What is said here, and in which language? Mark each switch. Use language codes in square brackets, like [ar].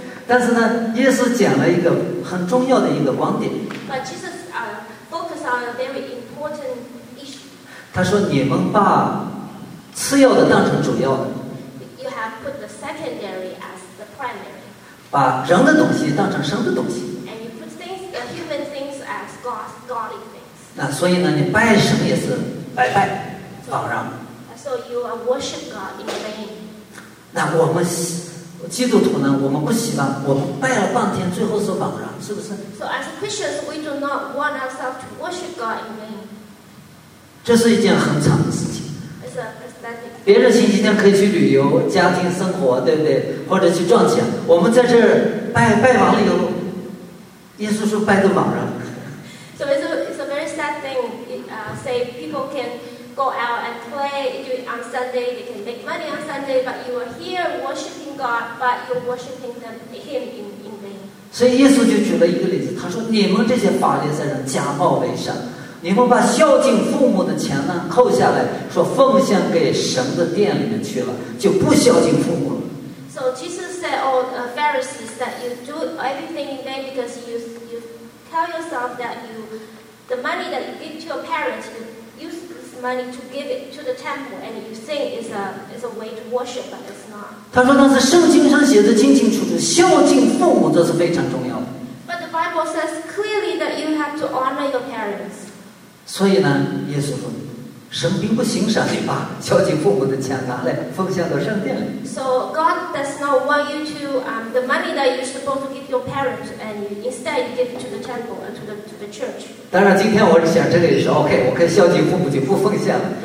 [zh] 但是呢，耶稣讲了一个很重要的一个观点。 [en] But Jesus focus on a very important issue. [zh] 他说：“你们把次要的当成主要的。 [en] You have put the secondary as the primary. [zh] 把人的东西当成神的东西。 [en] And you put things, the human things as God's godly things. [zh] 那所以呢，你拜神也是拜拜，放让。 [en] So you are worship God in vain. [zh] 那我们基督徒呢，我们不希望我们拜了半天，最后是枉然，是不是 [en] ？So as Christians, we do not want ourselves to worship God in vain. [zh] 这是一件很惨的事情。 [en] It's a pathetic. [zh] 别人星期天可以去旅游、家庭生活，对不对？或者去赚钱，我们在这儿拜完了以后，耶稣说拜的枉然。 [en] So it's a very sad thing. Say people can go out and play on Sunday. They can make money on Sunday, but you are here worshiping. God, but you're worshiping them, him in vain. So Jesus just gave an example. You Pharisees are hypocrites. You have taken the money from your parents and put it in the temple and gave it to God. So Jesus said, Pharisees, that you do everything in vain because you tell yourself that the money that you give to your parents, you use this money to give it to the temple, and you think it's a way to worship, but it's not. [zh] 他说：“但是圣经上写的清清楚楚，孝敬父母这是非常重要的。” [en] But the Bible says clearly that you have to honor your parents. [zh] 所以呢，耶稣说：“神并不欣赏你把孝敬父母的钱拿来奉献到圣殿里。” [en] So God does not want you to the money that you're supposed to give your parents, and instead you give it to the temple and to the church. [zh] 当然，今天我是想这里说 ，OK， 我可以孝敬父母就不奉献了。